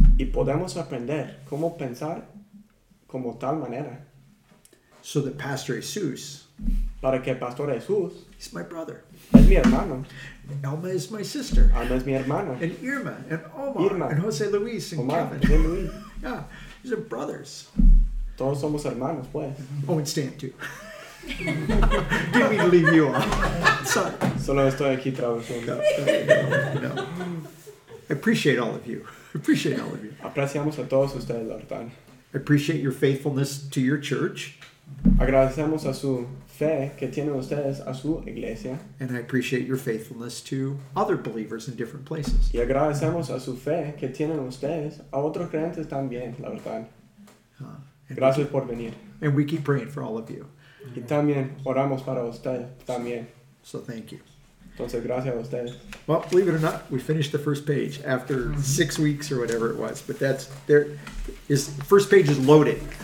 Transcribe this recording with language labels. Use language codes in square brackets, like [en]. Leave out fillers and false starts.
[es] Y podemos aprender cómo pensar como tal manera. [en] So that Pastor Jesus, [es] para que Pastor Jesús, [en] he's my brother. [es] Es mi hermano. [en] Alma is my sister. [es] Alma es mi hermano. [en] And Irma and Omar, Irma, and Jose Luis and Omar, Kevin. Jose Luis. Yeah, these are brothers. [es] Todos somos hermanos, pues. [en] Oh, and Stan too. Didn't mean to leave you off. Sorry. [es] Solo estoy aquí traduciendo. [en] No. I appreciate all of you. [es] Apreciamos a todos ustedes, la verdad. [en] I appreciate your faithfulness to your church. [es] Agradecemos a su fe que tienen ustedes a su iglesia. [en] And I appreciate your faithfulness to other believers in different places. [es] Y agradecemos a su fe que tienen ustedes a otros creyentes también, la verdad. Gracias por venir. [en] And we keep praying for all of you. [es] Y también oramos para ustedes también. [en] So thank you. [es] Entonces, gracias a ustedes. [en] Well, believe it or not, we finished the first page after 6 weeks or whatever it was. But that's, there is, first page is loaded.